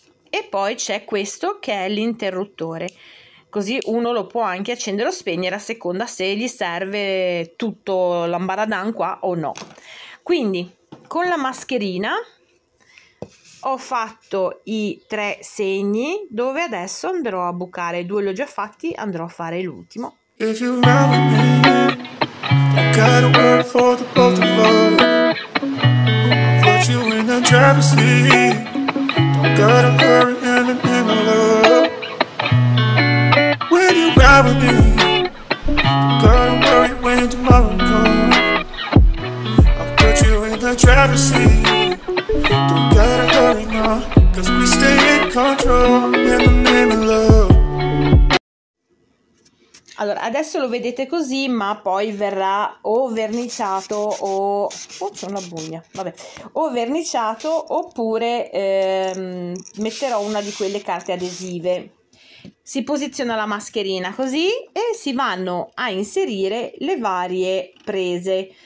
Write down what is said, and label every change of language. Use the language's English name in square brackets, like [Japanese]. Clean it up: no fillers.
[Italian] E poi c'è questo che è l'interruttore. Così uno lo può anche accendere o spegnere a seconda se gli serve tutto l'ambaradan qua o no. Quindi con la mascherina ho fatto i tre segni, dove adesso andrò a bucare due, li ho già fatti, andrò a fare l'ultimo. [English] If you remember me, I got a word for the both of us. I'll put you in the driver's seat. Don't gotta hurry anything, my love. When you ride with me, gotta worry when tomorrow comes. I'll put you in the driver's seat. Don't gotta hurry now, cause we stay in control in the name of love. [Italian] Allora, adesso lo vedete così, ma poi verrà o verniciato o. Oh, c'è una bugna. Vabbè. O verniciato oppure metterò una di quelle carte adesive. Si posiziona la mascherina così e si vanno a inserire le varie prese.